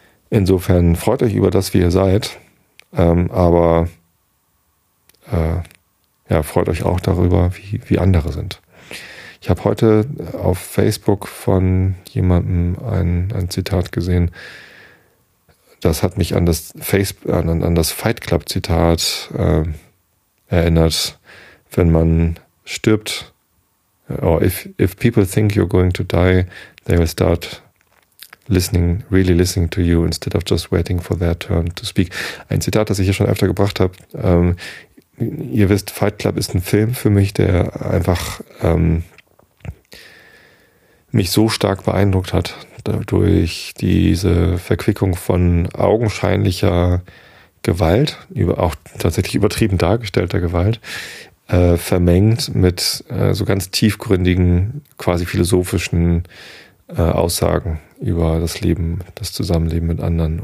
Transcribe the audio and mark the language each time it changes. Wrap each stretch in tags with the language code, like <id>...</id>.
<de>Insofern freut euch über das, wie ihr seid, aber freut euch auch darüber, wie andere sind. Ich habe heute auf Facebook von jemandem ein Zitat gesehen. Das hat mich an das an das Fight Club Zitat erinnert. Wenn man stirbt,</de> <en>or if people think you're going to die, they will start really listening to you instead of just waiting for their turn to speak.</en> <de>Ein Zitat, das ich hier schon öfter gebracht habe. Ihr wisst, Fight Club ist ein Film für mich, der einfach mich so stark beeindruckt hat durch diese Verquickung von augenscheinlicher Gewalt, auch tatsächlich übertrieben dargestellter Gewalt, vermengt mit so ganz tiefgründigen, quasi philosophischen Aussagen über das Leben, das Zusammenleben mit anderen.</de>